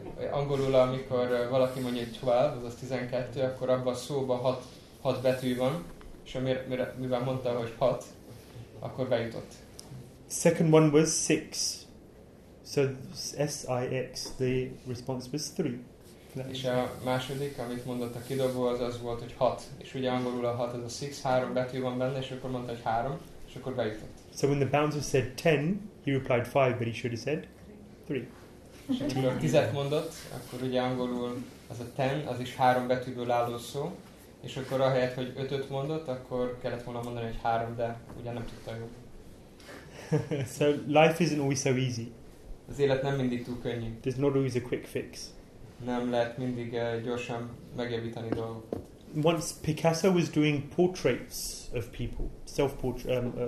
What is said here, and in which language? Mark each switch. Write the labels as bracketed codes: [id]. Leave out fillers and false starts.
[hu] Angolul, amikor valaki mondja, hogy 12, azaz 12, akkor abban a szóban 6 betű van, és mivel mondta, hogy 6, akkor bejutott. [en] Second one was 6. So S-I-X, the response was 3. [hu] És a második, amit mondott a kidobó, az volt, hogy 6. És ugye angolul a 6 az a 6, 3 betű van benne, és akkor mondta, hogy 3, és akkor bejutott. [en] So when the bouncer said 10, he replied 5, but he should have said 3. [hu] És amikor 10-et mondott, akkor ugye angolul az a 10, az is 3 betűből álló szó, és akkor ahelyett, hogy 5-öt mondott, akkor kellett volna mondani, hogy 3, de ugye nem tudta jól. [en] So life isn't always so easy. [hu] Az élet nem mindig túl könnyű. [en] There's not always a quick fix. [hu] Nem lehet mindig gyorsan megjavítani dolgokat. [en] Once Picasso was doing portraits of people, self-portrait.